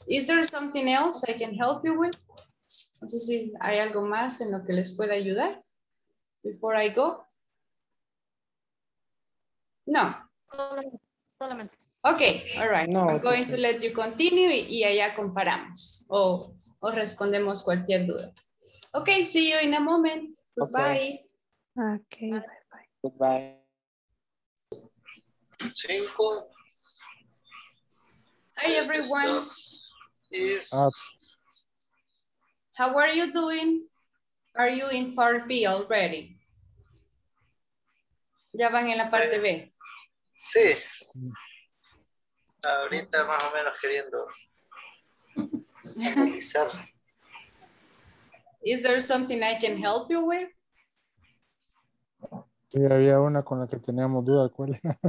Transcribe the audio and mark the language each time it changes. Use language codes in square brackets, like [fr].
[en] Is there something else I can help you with? [es] No sé si hay algo más en lo que les pueda ayudar [en] before I go. [es] No. Solamente. [en] Okay, all right. No, I'm going to let you continue [es] y allá comparamos o respondemos cualquier duda. [en] Okay, see you in a moment. Goodbye. Okay. Bye. Goodbye. 5. Hi, everyone. Yes. How are you doing? Are you in part B already? [es] Ya van en la parte B. Sí. Ahorita más o menos queriendo analizar. [en] Is there something I can help you with? [es] Sí, había una con la que teníamos duda, ¿cuál?